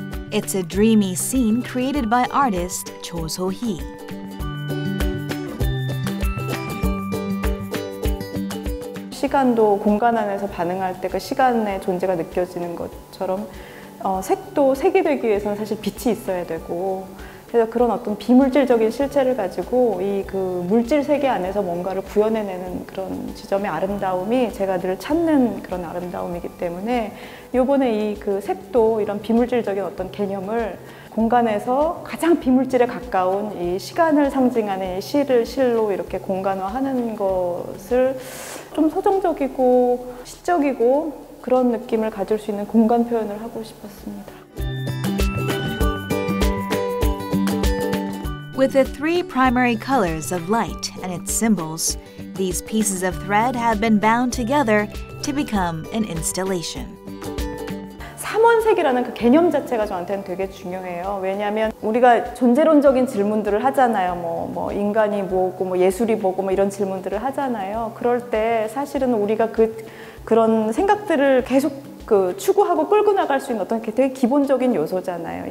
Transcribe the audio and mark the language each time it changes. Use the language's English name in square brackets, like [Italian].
[English] It's a dreamy scene created by artist Cho So-hee. [Korean] Time도 공간 안에서 반응할 때 그 시간의 존재가 느껴지는 것처럼 색도 색이 되기 위해서는 사실 빛이 있어야 되고 그래서 그런 어떤 비물질적인 실체를 가지고 이 그 물질 세계 안에서 뭔가를 구현해내는 그런 지점의 아름다움이 제가 늘 찾는 그런 아름다움이기 때문에 이번에 이 그 색도 이런 비물질적인 어떤 개념을 공간에서 가장 비물질에 가까운 이 시간을 상징하는 이 실을 실로 이렇게 공간화하는 것을 좀 서정적이고 시적이고 그런 느낌을 가질 수 있는 공간 표현을 하고 싶었습니다. [English] With the three primary colors of light and its symbols, these pieces of thread have been bound together to become an installation. [Korean] 삼원색이라는 그 개념 자체가 저한테는 되게 중요해요. 왜냐하면 우리가 존재론적인 질문들을 하잖아요. 뭐 인간이 뭐고 뭐 예술이 뭐고 뭐 이런 질문들을 하잖아요. 그럴 때 사실은 우리가 그런 생각들을 계속 그 추구하고 끌고 나갈 수 있는 어떤 되게 기본적인 요소잖아요.